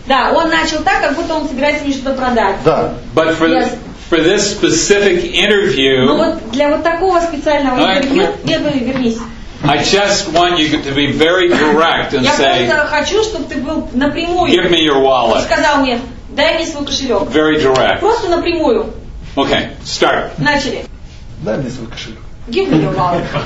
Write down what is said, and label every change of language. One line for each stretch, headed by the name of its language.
Russian: Да, он начал так, как будто он собирается мне что-то продать. Да.
English: But for the for this specific interview.
Russian: Ну вот для вот такого специального интервью, нет, вернись.
English: I just want you to be very direct and say.
Russian: Я просто хочу, чтобы ты был напрямую.
English: Give me your wallet.
Russian: Сказал мне, дай мне свой кошелек.
English: Very direct.
Russian: Просто напрямую.
English: Okay, start.
Russian: Начали. Дай мне свой кошелек.
English: Give me your wallet.